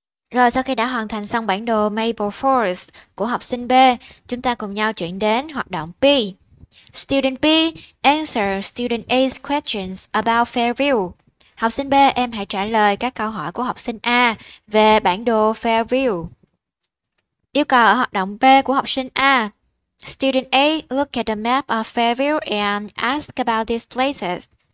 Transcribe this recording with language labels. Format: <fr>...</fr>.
<vi>Rồi sau khi đã hoàn thành xong bản đồ Maple Forest của học sinh B, chúng ta cùng nhau chuyển đến hoạt động B.</vi> <en>Student B, answer student A's questions about Fairview.</en> <vi>Học sinh B, em hãy trả lời các câu hỏi của học sinh A về bản đồ Fairview. Yêu cầu ở hoạt động B của học sinh A.</vi> <en>Student A, look at the map of Fairview and ask about these places.</en>